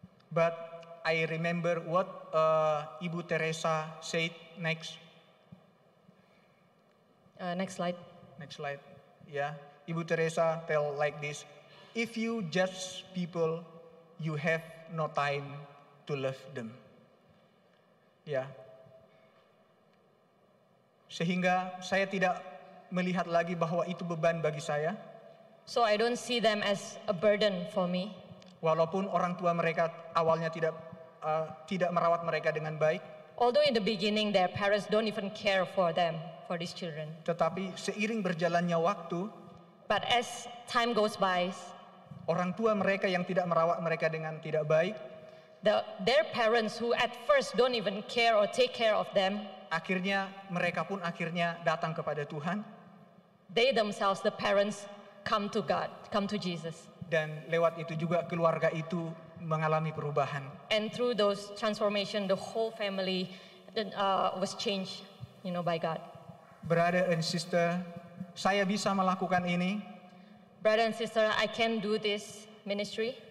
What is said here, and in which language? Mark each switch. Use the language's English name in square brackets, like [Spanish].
[English] But I remember what Ibu Teresa said next. Next slide. Next slide. Yeah. Ibu Teresa tell like this: "If you judge people, you have no time to love them." Yeah. [Indonesian] Sehingga saya tidak melihat lagi bahwa itu beban bagi saya. [English] So I don't see them as a burden for me. [Indonesian] Walaupun orang tua mereka awalnya tidak merawat mereka dengan baik. [English] Although in the beginning their parents don't even care for them, for these children. [Indonesian] Tetapi seiring berjalannya waktu. [English] But as time goes by. [Indonesian] Orang tua mereka yang tidak merawat mereka dengan tidak baik. [English] Their parents who at first don't even care or take care of them. [Indonesian] Akhirnya mereka pun akhirnya datang kepada Tuhan. [English] They themselves, the parents, come to God, come to Jesus. [Indonesian] Dan lewat itu juga keluarga itu mengalami perubahan. [English] And through those transformation, the whole family was changed, you know, by God. Brother and sister, [Indonesian] saya bisa melakukan ini. [English] Brother and sister, I can do this ministry.